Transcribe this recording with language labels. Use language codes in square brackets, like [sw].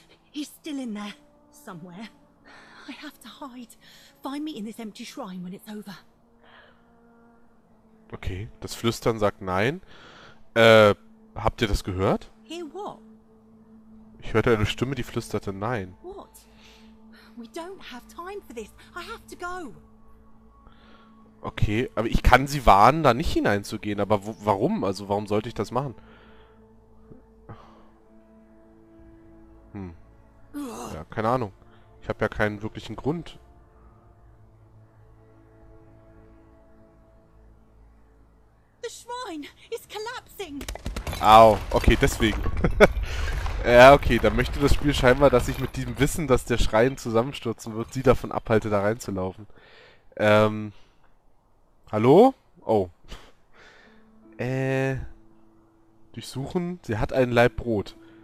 [en] He's still in there, somewhere. I have to hide. Find me in this empty shrine when it's over. [de] Okay, das Flüstern sagt nein. Habt ihr das gehört? [en] Hear what? [de] Ich hörte eine Stimme, die flüsterte nein. [en] We don't have time for this. I have to go. [de] Okay, aber ich kann sie warnen, da nicht hineinzugehen. Aber wo, warum? Also warum sollte ich das machen? Ja, keine Ahnung. Ich habe ja keinen wirklichen Grund. [en] The shrine is collapsing. [de] Au, okay, deswegen. Ja, okay, dann möchte das Spiel scheinbar, dass ich mit diesem Wissen, dass der Schrein zusammenstürzen wird, sie davon abhalte, da reinzulaufen. Hallo? Oh. Durchsuchen. Sie hat ein Laibbrot.